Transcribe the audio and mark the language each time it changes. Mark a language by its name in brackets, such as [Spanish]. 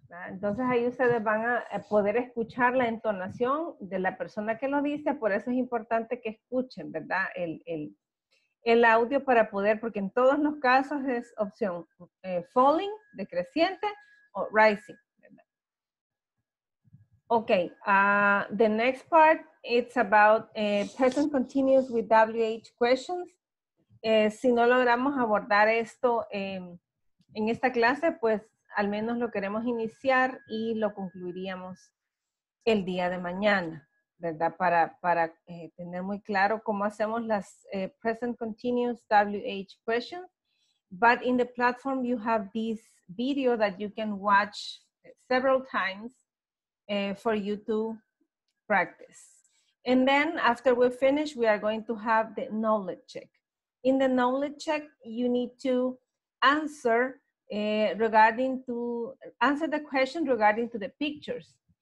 [Spanish] Entonces ahí ustedes van a poder escuchar la entonación de la persona que lo dice, por eso es importante que escuchen, ¿verdad? El audio para poder, porque en todos los casos es opción falling, decreciente, o rising, ¿verdad? [English] Okay, the next part, it's about present continuous with WH questions. [Spanish] Si no logramos abordar esto en esta clase, pues, al menos lo queremos iniciar y lo concluiríamos el día de mañana, ¿verdad? Para tener muy claro cómo hacemos las [English] present continuous WH questions But in the platform, you have this video that you can watch several times for you to practice. And then after we finish, we are going to have the knowledge check. In the knowledge check, you need to answer answer the question regarding to the pictures.